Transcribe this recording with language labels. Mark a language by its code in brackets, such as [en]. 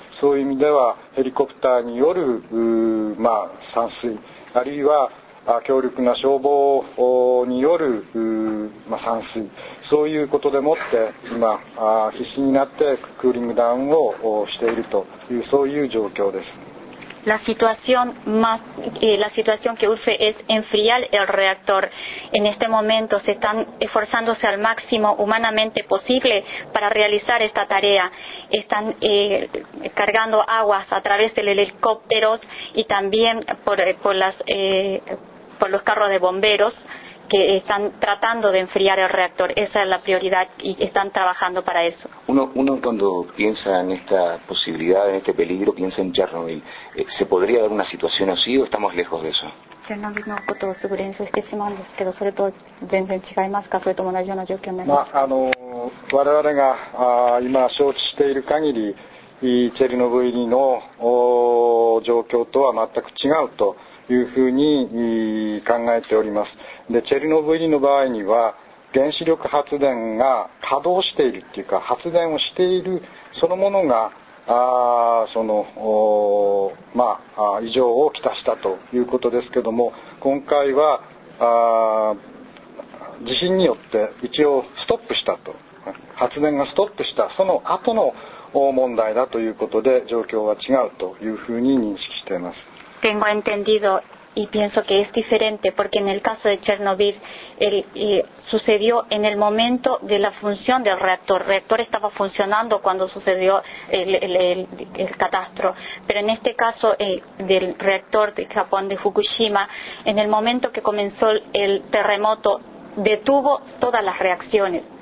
[ja] そういう意味ではヘリコプターによる散水あるいは強力な消防による散水、そういうことでもって今必死になってクーリングダウンをしているというそういう状況です。 [es] La situación más, la situación que urge es enfriar el reactor. En este momento se están esforzándose al máximo humanamente posible para realizar esta tarea. Están cargando aguas a través de los helicópteros y también por los carros de bomberos que están tratando de enfriar el reactor. Esa es la prioridad y están trabajando para eso. Uno cuando piensa en esta posibilidad, en este peligro, piensa en Chernobyl. ¿Se podría dar una situación así o estamos lejos de eso? Chernobyl no puedo asegurar eso. Es que si mando, es que no sobre todo, ¿dentro de qué más caso de tomar yo una yo que me gusta? [ja] Chernobyl no, o, 状況とは全く違うと。いうふうに考えております。でチェルノブイリの場合には原子力発電が稼働しているというか発電をしているそのものがその異常をきたしたということですけども、今回は地震によって一応ストップしたと、発電がストップしたその後の問題だということで状況は違うというふうに認識しています。 [es] Tengo entendido y pienso que es diferente porque en el caso de Chernobyl sucedió en el momento de la función del reactor. El reactor estaba funcionando cuando sucedió el catástrofe. Pero en este caso del reactor de Japón de Fukushima, en el momento que comenzó el terremoto, detuvo todas las reacciones.